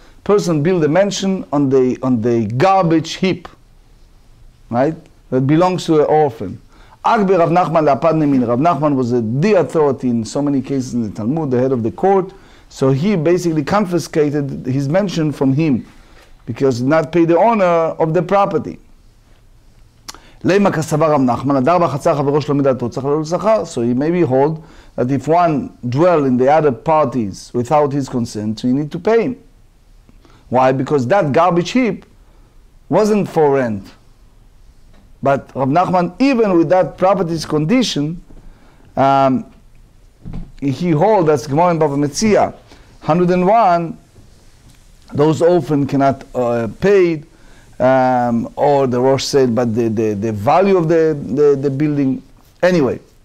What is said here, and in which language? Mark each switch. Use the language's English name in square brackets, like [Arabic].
[English] Person build a mansion on the garbage heap, right? That belongs to an orphan. [Aramaic] Agbe Rav Nachman lapadne min. [English] Rav Nachman was a dear authority in so many cases in the Talmud, the head of the court. So he basically confiscated his mansion from him because he did not pay the owner of the property. [Hebrew] למה כסבר רב נחמן, הדר בחצר חברו שלא מדעתו, צריך לעלות שכר. [English] So he maybe hold that if one dwell in the other parties without his consent, so he need to pay him. Why? Because that garbage heap wasn't for rent. But Rav Nachman, even with that property's condition, he holds, that's Gemara in Bava Metzia, 101, those often cannot paid, or the Rosh said, but the value of the building, anyway.